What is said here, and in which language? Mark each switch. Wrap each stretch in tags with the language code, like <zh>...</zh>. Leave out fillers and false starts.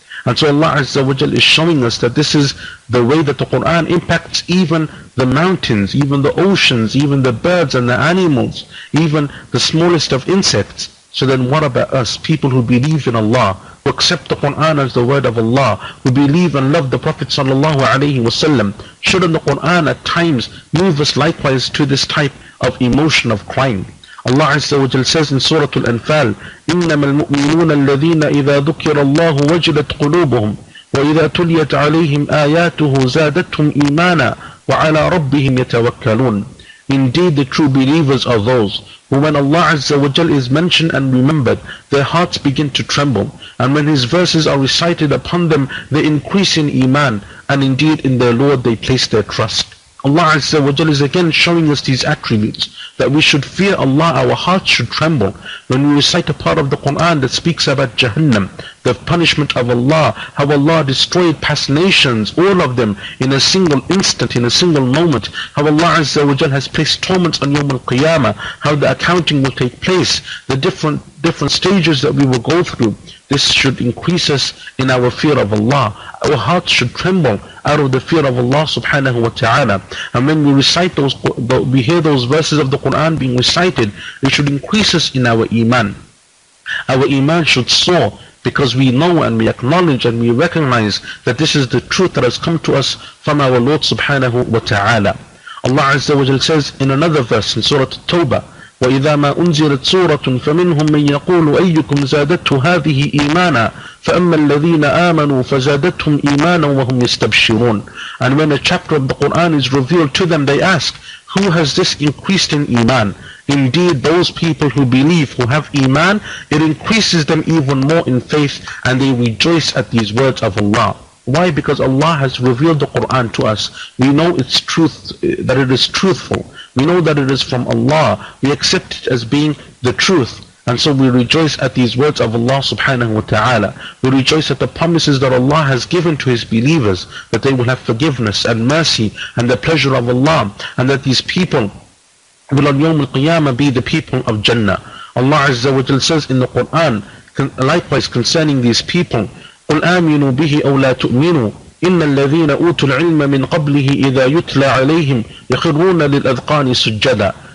<en>And so Allah Azza wa Jal is showing us that this is the way that the Quran impacts even the mountains, even the oceans, even the birds and the animals, even the smallest of insects. So then what about us, people who believe in Allah, who accept the Quran as the word of Allah, who believe and love the Prophet sallallahu alayhi wa sallam? Shouldn't the Quran at times move us likewise to this type of emotion of crying? Allah Azza wa Jal says in Surah Al-Anfal,</en> <ar>إِنَّمَا الْمُؤْمِنُونَ الَّذِينَ إِذَا ذُكِرَ اللَّهُ وَجِلَتْ قُلُوبُهُمْ وَإِذَا تُلِيَتْ عَلَيْهِمْ آيَاتُهُ زَادَتْهُمْ إِيمَانًا وَعَلَىٰ رَبِّهِمْ يَتَوَكَّلُونَ.</ar> <en>Indeed, the true believers are those who, when Allah Azza wa Jal is mentioned and remembered, their hearts begin to tremble. And when His verses are recited upon them, they increase in iman, and indeed in their Lord they place their trust. Allah Azza wa Jal is again showing us these attributes, that we should fear Allah, our hearts should tremble. When we recite a part of the Quran that speaks about Jahannam, the punishment of Allah, how Allah destroyed past nations, all of them, in a single instant, in a single moment, how Allah Azza wa Jal has placed torments on Yawm al-Qiyamah, how the accounting will take place, the different stages that we will go through, this should increase us in our fear of Allah. Our hearts should tremble out of the fear of Allah subhanahu wa ta'ala. And when we recite we hear those verses of the Quran being recited, it should increase us in our iman. Our iman should soar because we know and we acknowledge and we recognize that this is the truth that has come to us from our Lord subhanahu wa ta'ala. Allah Azza wa Jal says in another verse in Surah At-Tawbah,</en> <ar>وَإِذَا مَا أُنزِلَتْ سُورَةٌ فَمِنْهُمْ مَنْ يَقُولُ أَيُّكُمْ زَادَتْهُ هَذِهِ إِيمَانًا فَأَمَّا الَّذِينَ آمَنُوا فَزَادَتْهُمْ إِيمَانًا وَهُمْ يَسْتَبْشِرُونَ.</ar> <en>And when a chapter of the Quran is revealed to them, they ask, who has this increased in iman? Indeed, those people who believe, who have iman, it increases them even more in faith, and they rejoice at these words of Allah. Why? Because Allah has revealed the Quran to us. We know its truth, that it is truthful. We know that it is from Allah. We accept it as being the truth. And so we rejoice at these words of Allah subhanahu wa ta'ala. We rejoice at the promises that Allah has given to His believers, that they will have forgiveness and mercy and the pleasure of Allah, and that these people will on Yawm al-Qiyamah be the people of Jannah. Allah Azza wa Jal says in the Quran, likewise concerning these people,</en> <ar>قُلْ آمِنُوا بِهِ أَوْ لَا تُؤْمِنُوا إِنَّ الَّذِينَ أُوتُوا الْعِلْمَ مِنْ قَبْلِهِ إِذَا يُتْلَى عَلَيْهِمْ يَخِرُّونَ لِلْأَذْقَانِ سُجَّدًا.</ar>